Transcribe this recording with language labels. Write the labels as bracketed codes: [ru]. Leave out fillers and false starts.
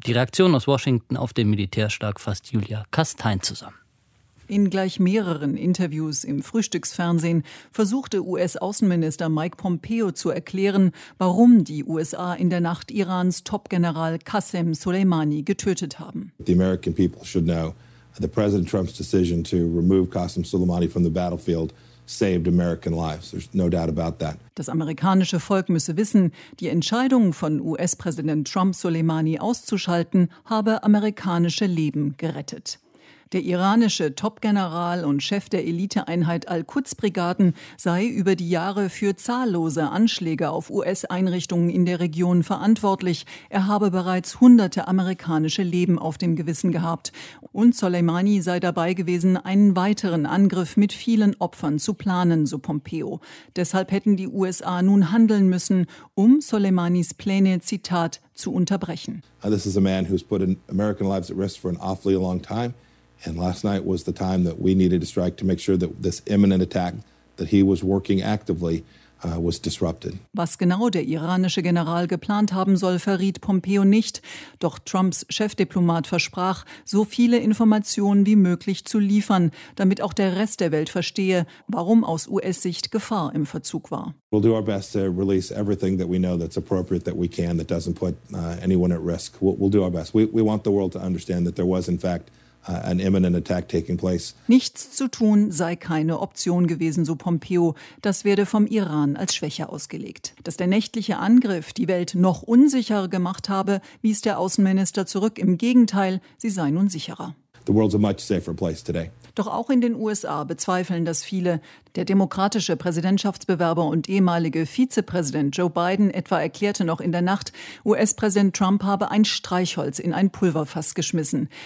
[de] Die Reaktion aus Washington auf den Militärschlag fasst Julia Kastein zusammen. In gleich mehreren Interviews im Frühstücksfernsehen versuchte US-Außenminister Mike Pompeo zu erklären, warum die USA in der Nacht Irans Top-General Qasem Soleimani getötet haben. [en] The American people should know that President Trump's decision to remove Qasem Soleimani from the battlefield saved American lives. There's no doubt about that. [de] Das amerikanische Volk müsse wissen, die Entscheidung von US-Präsident Trump, Soleimani auszuschalten, habe amerikanische Leben gerettet. Der iranische Top-General und Chef der Eliteeinheit Al-Quds-Brigaden sei über die Jahre für zahllose Anschläge auf US-Einrichtungen in der Region verantwortlich. Er habe bereits hunderte amerikanische Leben auf dem Gewissen gehabt. Und Soleimani sei dabei gewesen, einen weiteren Angriff mit vielen Opfern zu planen, so Pompeo. Deshalb hätten die USA nun handeln müssen, um Soleimanis Pläne, Zitat, zu unterbrechen. [en] This is a man who's put American lives at risk for an awfully long time. And last night was the time that we needed to strike to make sure that this imminent attack that he was working actively was disrupted. [de] Was genau der iranische General geplant haben soll, verriet Pompeo nicht. Doch Trumps Chefdiplomat versprach, so viele Informationen wie möglich zu liefern, damit auch der Rest der Welt verstehe, warum aus US-Sicht Gefahr im Verzug war. [en] We'll do our best to release everything that we know that's appropriate that we can, that doesn't put anyone at risk. We'll do our best. We want the world to understand that there was in fact an imminent attack taking place. [de] Nichts zu tun sei keine Option gewesen, so Pompeo. Das werde vom Iran als Schwäche ausgelegt. Dass der nächtliche Angriff die Welt noch unsicherer gemacht habe, wies der Außenminister zurück. Im Gegenteil, sie sei nun sicherer. [en] The world's a much safer place today. [de] Doch auch in den USA bezweifeln das viele. Der demokratische Präsidentschaftsbewerber und ehemalige Vizepräsident Joe Biden etwa erklärte noch in der Nacht, US-Präsident Trump habe ein Streichholz in ein Pulverfass geschmissen.